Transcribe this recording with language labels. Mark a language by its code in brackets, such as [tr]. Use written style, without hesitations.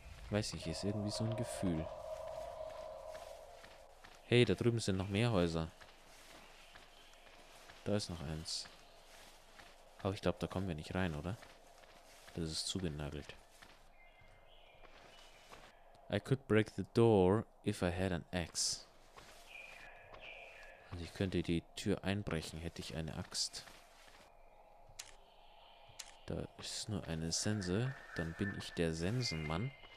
[de] Weiß nicht, ist irgendwie so ein Gefühl. Hey, da drüben sind noch mehr Häuser. Da ist noch eins. Aber ich glaube, da kommen wir nicht rein, oder? Das ist zugenagelt. [en] I could break the door if I had an axe. [de] Also ich könnte die Tür einbrechen, hätte ich eine Axt. Da ist nur eine Sense. Dann bin ich der Sensenmann.